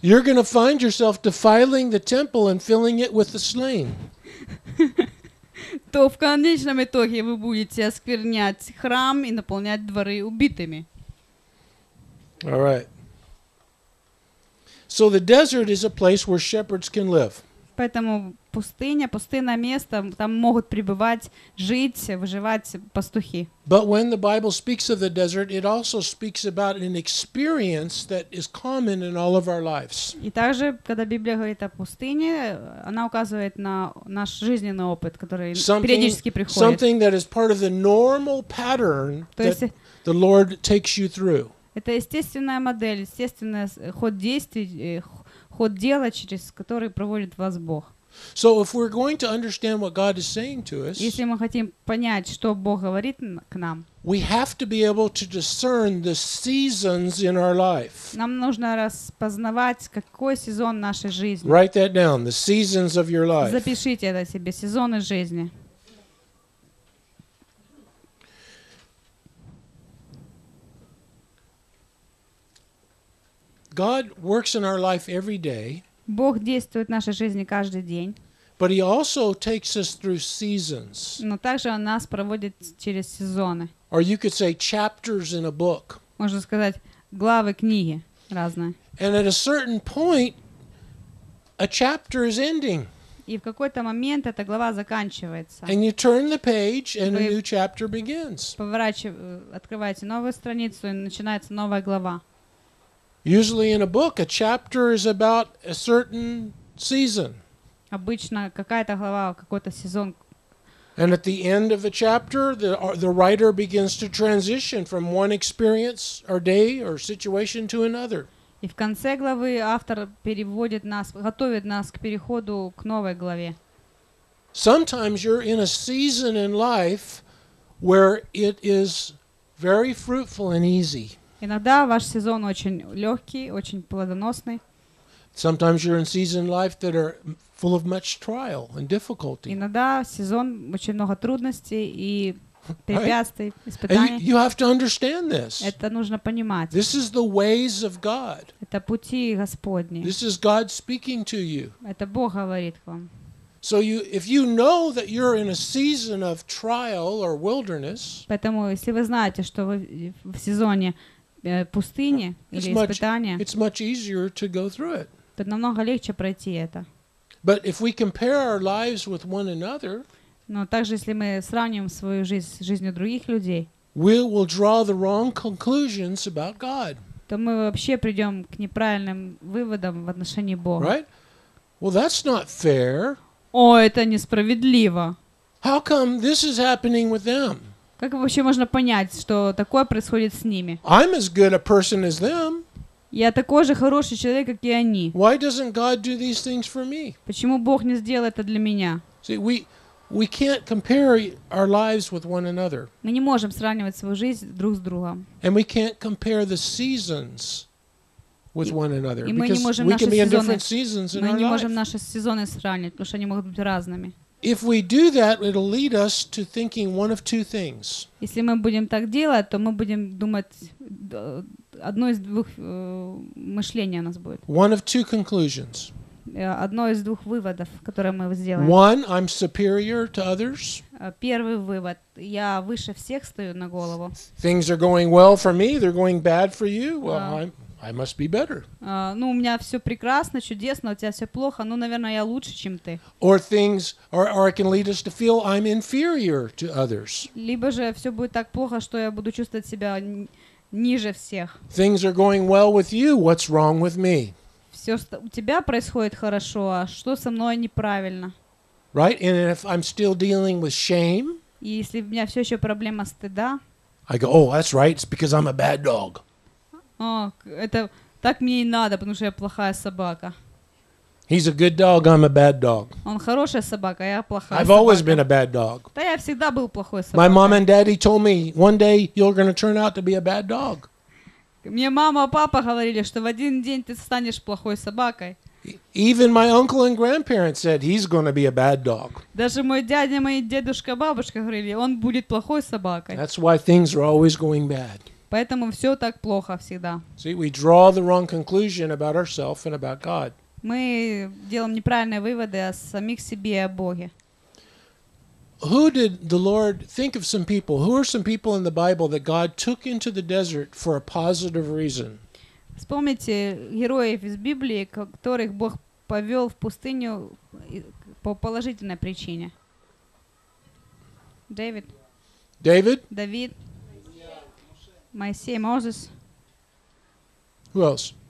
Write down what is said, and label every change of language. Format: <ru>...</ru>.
<en>you're going to find yourself defiling the temple and filling it with the slain.</en> <ru>То в конечном итоге вы будете осквернять храм и наполнять дворы убитыми.</ru> <en>All right. So the desert is a place where shepherds can live.</en> <ru>Поэтому пустыня, пустынное место, там могут пребывать, жить, выживать пастухи.</ru> <en>But when the Bible speaks of the desert, it also speaks about an experience that is common in all of our lives.</en> <ru>И также, когда Библия говорит о пустыне, она указывает на наш жизненный опыт, который периодически приходит.</ru> <en>Something that is part of the normal pattern that the Lord takes you through.</en> <ru>Это естественная модель, естественный ход действий, ход дела, через который проводит вас Бог.</ru> <en>So if we're going to understand what God is saying to us,</en> <ru>если мы хотим понять, что Бог говорит к нам,</ru> <en>we have to be able to discern the seasons in our life.</en> <ru>Нам нужно распознавать, какой сезон нашей жизни.</ru> <en>Write that down, the seasons of your life.</en> <ru>Запишите это себе, сезоны жизни.</ru> <en>God works in our life every day.</en> <ru>Бог действует в нашей жизни каждый день.</ru> <en>But he also takes us through seasons.</en> <ru>Но также он нас проводит через сезоны.</ru> <en>Or you could say chapters in a book.</en> <ru>Можно сказать, главы книги разные.</ru> <en>And at a certain point, a chapter is ending.</en> <ru>И в какой-то момент эта глава заканчивается.</ru> <en>And you turn the page and a new chapter begins.</en> <ru>Открываете новую страницу и начинается новая глава.</ru> <en>Usually in a book, a chapter is about a certain season.</en> <ru>Обычно какая-то глава, какой-то сезон.</ru> <en>And at the end of a chapter, the writer begins to transition from one experience or day or situation to another.</en> <ru>И в конце главы автор переводит нас, готовит нас к переходу к новой главе.</ru> <en>Sometimes you're in a season in life where it is very fruitful and easy.</en> <ru>Иногда ваш сезон очень легкий, очень плодоносный.</ru> <en>Sometimes you're in season life that are full of much trial and difficulty.</en> <ru>Иногда сезон очень много трудностей и препятствий, испытаний.</ru> <en>You have to understand this.</en> <ru>Это нужно понимать.</ru> <en>This is the ways of God.</en> <ru>Это пути Господни.</ru> <en>This is God speaking to you.</en> <ru>Это Бог говорит к вам.</ru> <en>So you, if you know that you're in a season of trial or wilderness,</en> <ru>поэтому если вы знаете, что вы в сезоне пустыни или испытания,</ru> <en>it's much easier to go through it.</en> <ru>То намного легче пройти это.</ru> <en>But if we compare our lives with one another,</en> <ru>но также если мы сравним свою жизнь с жизнью других людей,</ru> <en>we will draw the wrong conclusions about God.</en> <ru>То мы вообще придем к неправильным выводам в отношении Бога.</ru> <en>Right? Well, that's not fair.</en> <ru>О, это несправедливо.</ru> <en>How come this is happening with them?</en> <ru>Как вообще можно понять, что такое происходит с ними?</ru> <en>I'm as good a person as them.</en> <ru>Я такой же хороший человек, как и они.</ru> <en>Why doesn't God do these things for me?</en> <ru>Почему Бог не сделал это для меня?</ru> <en>See, we can't compare our lives with one another.</en> <ru>Мы не можем сравнивать свою жизнь друг с другом.</ru> <en>And we can't compare the seasons with one another.</en> <ru>И мы не можем наши сезоны сравнивать, потому что они могут быть разными.</ru> <en>If we do that, it'll lead us to thinking one of two things.</en> <ru>Если мы будем так делать, то мы будем думать одно из двух мышления у нас будет.</ru> <en>One of two conclusions.</en> <ru>Одно из двух выводов, которые мы сделаем.</ru> <en>One, I'm superior to others.</en> <ru>Первый вывод: я выше всех стою на голову.</ru> <en>Things are going well for me, they're going bad for you. Well, I must be better.</en> <ru>Ну, у меня все прекрасно, чудесно, у тебя все плохо, ну, наверное, я лучше, чем ты.</ru> <en>Or things, or it can lead us to feel I'm inferior to others.</en> <ru>Либо же все будет так плохо, что я буду чувствовать себя ниже всех.</ru> <en>Things are going well with you, what's wrong with me?</en> <ru>Все у тебя происходит хорошо, а что со мной неправильно?</ru> <en>Right, and if I'm still dealing with shame,</en> <ru>и если у меня все еще проблема стыда,</ru> <en>I go, oh, that's right, it's because I'm a bad dog.</en> <ru>О, это так мне и надо, потому что я плохая собака.</ru> <en>He's a good dog, I'm a bad dog.</en> <ru>Он хорошая собака, я плохая</ru> <en>I've</en> <ru>собака.</ru> <en>Always been a bad dog.</en> <ru>Да я всегда был плохой собакой.</ru> <en>My mom and daddy told me, one day you're going to turn out to be a bad dog.</en> <ru>Мне мама и папа говорили, что в один день ты станешь плохой собакой.</ru> <en>Even my uncle and grandparents said he's going to be a bad dog.</en> <ru>Даже мой дядя, мои дедушка, бабушка говорили, он будет плохой собакой.</ru> <en>That's why things are always going bad.</en> <ru>Поэтому все так плохо всегда.</ru> <en>See, we draw the wrong conclusion about ourselves and about God.</en> <ru>Мы делаем неправильные выводы о самих себе и о Боге.</ru> <en>Who did the Lord think of some people? Who are some people in the Bible that God took into the desert for a positive reason?</en> <ru>Вспомните героев из Библии, которых Бог повел в пустыню по положительной причине. Дэвид. Дэвид. Давид. Моисей, Мозес.</ru> <en>Who else?</en>